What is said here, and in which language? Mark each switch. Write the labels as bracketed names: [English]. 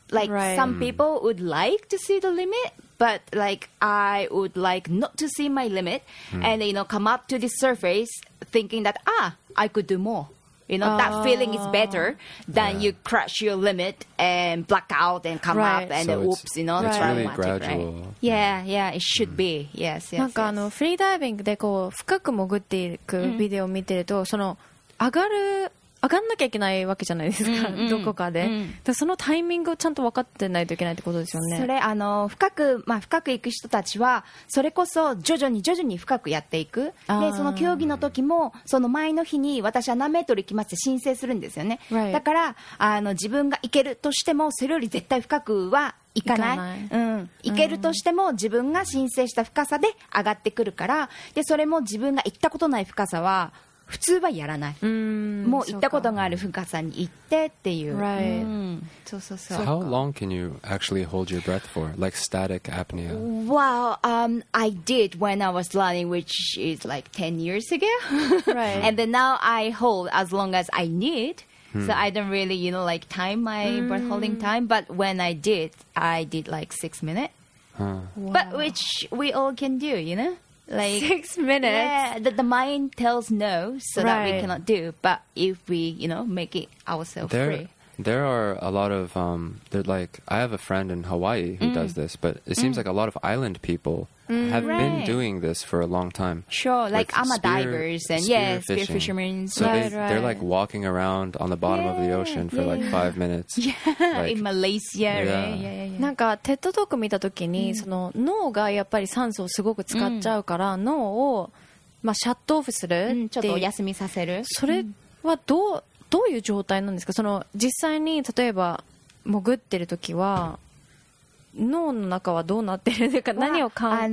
[English] Like some people would like to see the limit. But like I would like not to see my limit and, you know, come up to the surface thinking that, I could do more. You know, that feeling is better than you crush your limit and black out and come up and whoops, you know. It's really gradual. Right? Yeah, it should be. Yes. [Japanese] フリーダイビングでこう深く潜っていくビデオを見てると、その上がんなきゃいけないわけじゃないですか、どこかで。で、そのタイミングをちゃんと分かってないといけないってことですよね。それ、深く行く人たちは、それこそ徐々に深くやっていく。で、その競技の時も、その前の日に私は何メートル行きますって申請するんですよね。 [English] Right. [Japanese] だから、自分が行けるとしても、それより絶対深くは行かない。行かない。行けるとしても、自分が申請した深さで上がってくるから、で、それも自分が行ったことない深さは、普通はやらない。もう行ったことがある深さに行ってっていう。 [English] Right. [Japanese] そう。 [English] How long can you actually hold your breath for? Like static apnea? Well, I did when I was learning, which is like 10 years ago. Right. And then now I hold as long as I need. So I don't really, you know, like time my breath holding time. But when I did like 6 minutes. Huh. Wow. But which we all can do, you know? Like 6 minutes. Yeah, the mind tells no, so that we cannot do. But if we, you know, make it ourselves free. There are a lot of, I have a friend in Hawaii who does this, but it seems like a lot of island people have been doing this for a long time. Sure, like divers and spear fishermen. They're like walking around on the bottom of the ocean for like 5 minutes. Yeah, like, in Malaysia, yeah. right? [Japanese] なんかテッドトーク見た時に、その脳がやっぱり酸素をすごく使っちゃうから、脳を、まあ、シャットオフするちょっとお休みさせる。それはどういう状態なんですか。その実際に例えば潜ってる時は脳の中はどうなってるのか、何を感